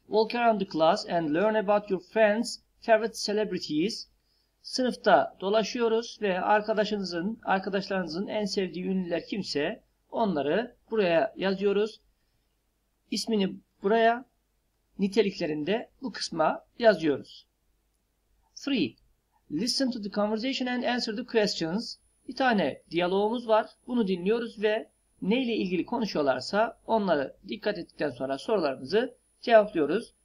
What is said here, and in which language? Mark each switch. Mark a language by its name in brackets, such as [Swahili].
[English] Walk around the class and learn about your friends' favorite celebrities. [Turkish] Sınıfta dolaşıyoruz ve arkadaşlarınızın en sevdiği ünlüler kimse onları buraya yazıyoruz. İsmini buraya, niteliklerinde bu kısma yazıyoruz. 3. [English] Listen to the conversation and answer the questions. [Turkish] Bir tane diyalogumuz var. Bunu dinliyoruz ve neyle ilgili konuşuyorlarsa onları dikkat ettikten sonra sorularımızı cevaplıyoruz.